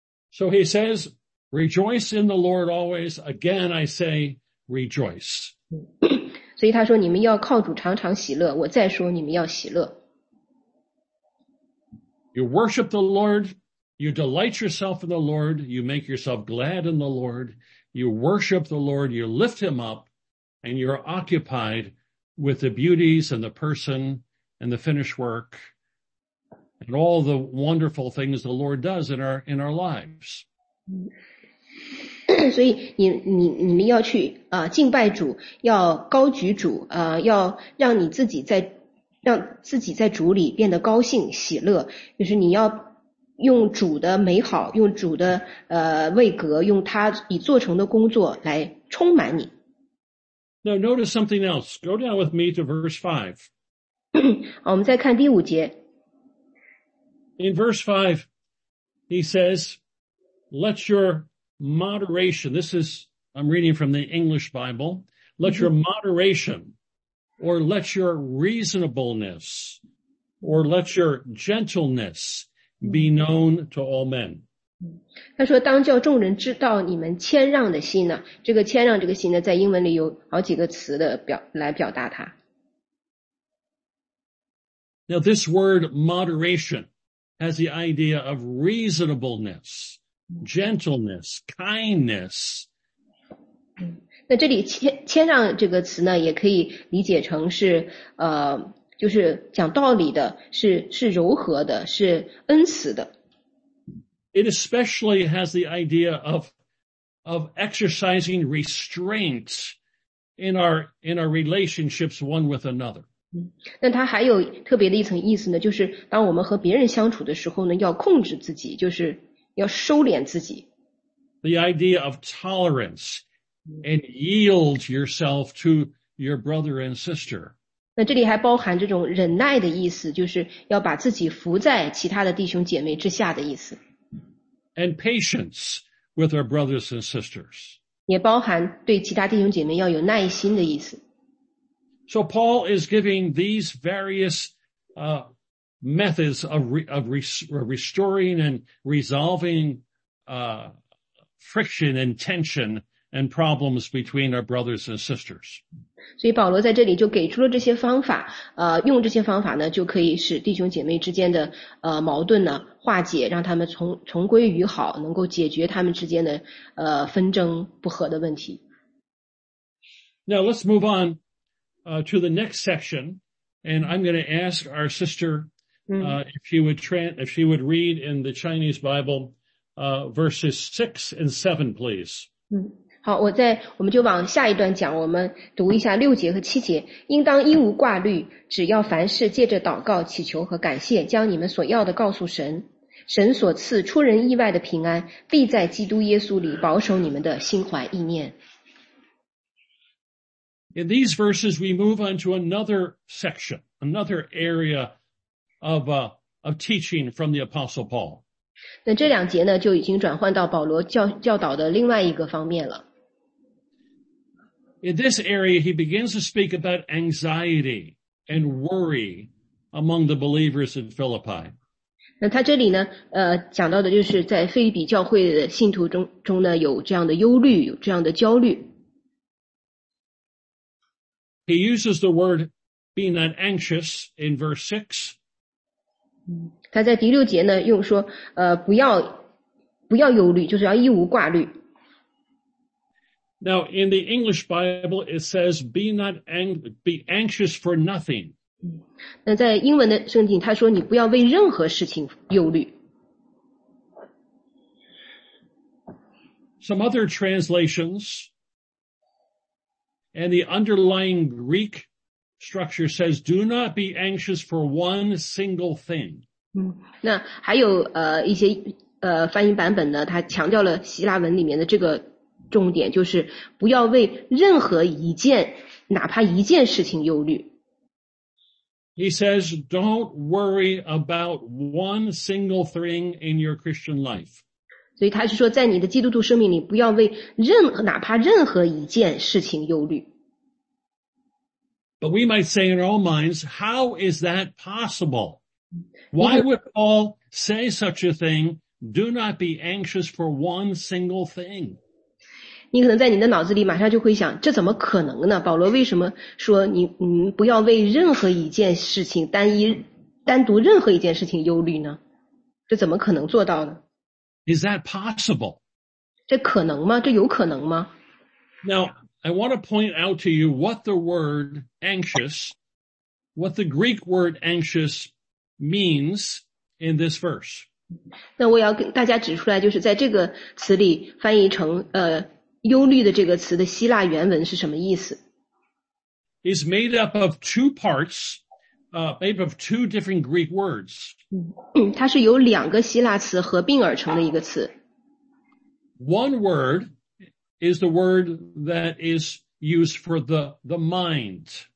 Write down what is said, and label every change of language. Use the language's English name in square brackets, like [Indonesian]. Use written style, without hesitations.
[English] So he says, rejoice in the Lord always. Again, I say, rejoice. [Chinese] 所以他说你们要靠主常常喜乐，我再说你们要喜乐。 [English] You worship the Lord. You delight yourself in the Lord, you make yourself glad in the Lord, you worship the Lord, you lift him up, and you're occupied with the beauties and the person and the finished work and all the wonderful things the Lord does in our lives. [Chinese] 所以你们要去敬拜主，要高举主，要让自己在主里变得高兴喜乐，就是你要用主的美好，用主的位格，用他已做成的工作来充满你。 [English] Now notice something else. Go down with me to verse 5. [Chinese] 我们再看第五节。 [English] In verse 5, he says, let your moderation, I'm reading from the English Bible, let your moderation, or let your reasonableness, or let your gentleness,be known to all men. [Chinese] 他说当叫众人知道你们谦让的心呢，这个谦让这个心呢在英文里有好几个词的来表达它。 [English] Now this word moderation has the idea of reasonableness, gentleness, kindness. [Chinese] 那这里谦让这个词呢，也可以理解成是就是讲道理的，是柔和的，是恩慈的。 [English] It especially has the idea of exercising restraint in our relationships one with another. [Chinese] 那它还有特别的一层意思呢，就是当我们和别人相处的时候呢，要控制自己，就是要收敛自己。 [English] The idea of tolerance and yield yourself to your brother and sister. [Chinese] 那这里还包含这种忍耐的意思，就是要把自己服在其他的弟兄姐妹之下的意思。 [English] And patience with our brothers and sisters. [Chinese] 也包含对其他弟兄姐妹要有耐心的意思。 [English] So Paul is giving these various methods of restoring and resolving friction and tension and problems between our brothers and sisters. [Chinese] 所以保罗在这里就给出了这些方法，用这些方法呢，就可以使弟兄姐妹之间的矛盾呢化解，让他们重归于好，能够解决他们之间的纷争不和的问题。 [English] Now let's move on to the next section, and I'm going to ask our sister if she would read in the Chinese Bible verses 6 and 7, please. [Chinese] 好，我们就往下一段讲，我们读一下6节和7节。应当一无挂虑，只要凡事借着祷告、祈求和感谢，将你们所要的告诉神。神所赐出人意外的平安，必在基督耶稣里保守你们的心怀意念。 [English] In these verses, we move on to another section, another area of teaching from the Apostle Paul. [Chinese] 那这两节呢，就已经转换到保罗教导的另外一个方面了。 [English] In this area, he begins to speak about anxiety and worry among the believers in Philippi. [Chinese] 那他这里呢，讲到的就是在腓立比教会的信徒中呢，有这样的忧虑，有这样的焦虑。 [English] He uses the word being not anxious in verse 6. [Chinese] 他在第六节呢，用说，不要忧虑，就是要一无挂虑。 [English] Now, in the English Bible, it says, be anxious for nothing. [Chinese] 那在英文的圣经，他说你不要为任何事情忧虑。 [English] Some other translations, and the underlying Greek structure says, do not be anxious for one single thing. [Chinese] 那还有一些翻译版本呢，它强调了希腊文里面的这个重点，就是不要为任何一件，哪怕一件事情忧虑。 [English] He says, don't worry about one single thing in your Christian life. [Chinese] 所以他是说，在你的基督徒生命里，不要为任何，哪怕任何一件事情忧虑。 [English] But we might say in our own minds, how is that possible? Why would Paul say such a thing? Do not be anxious for one single thing. [Chinese] 你可能在你的脑子里马上就会想，这怎么可能呢？保罗为什么说你不要为任何一件事情，单独任何一件事情忧虑呢？这怎么可能做到呢？ [English] Is that possible? [Chinese] 这可能吗？这有可能吗？ [English] Now, I want to point out to you what the word anxious, what the Greek word anxious means in this verse. [Chinese] 那我要跟大家指出来，就是在这个词里翻译成忧虑的这个词的希腊原文是什么意思？ [English] It's made up of two parts, made up of two different Greek words. [Chinese] 它是由两个希腊词合并而成的一个词。 [English] One word is the word that is used for the mind.